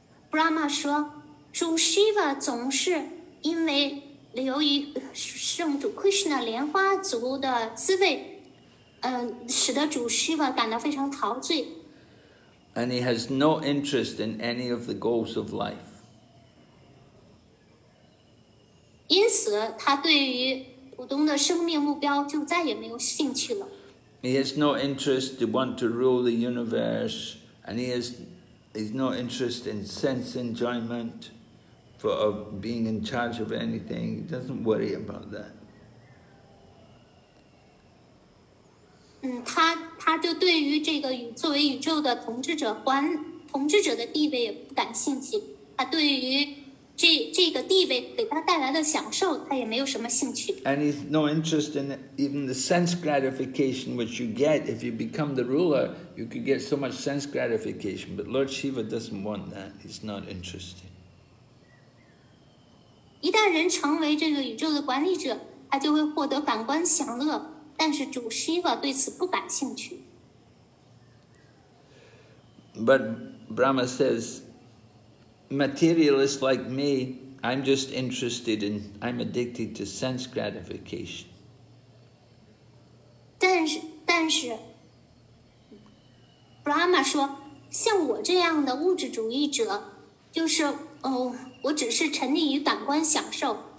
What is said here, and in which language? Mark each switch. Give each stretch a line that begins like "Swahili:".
Chinese: Brahma 说, 主 Shiva 总是因为流于圣主 Krishna 莲花足的滋味，使得主 Shiva 感到非常陶醉。
English: And he has no interest in any of the goals of life.
Chinese: 因此，他对于普通的生命目标就再也没有兴趣了。
English: He has no interest to want to rule the universe, and he has no interest in sense enjoyment of being in charge of anything. He doesn't worry about that.
Chinese: 他就对于这个宇作为宇宙的统治者还统治者的地位也不感兴趣。他对于这个地位给他带来的享受，他也没有什么兴趣。
English: And he's no interest in even the sense gratification which you get if you become the ruler. You could get so much sense gratification, but Lord Shiva doesn't want that. He's not interested.
Chinese: 一旦人成为这个宇宙的管理者，他就会获得感官享乐。但是主 Shiva 对此不感兴趣。
English: But Brahma says, materialists like me, I'm just interested in, I'm addicted to sense gratification.
Chinese: 但是 Brahma 说，像我这样的物质主义者，就是我只是沉溺于感官享受。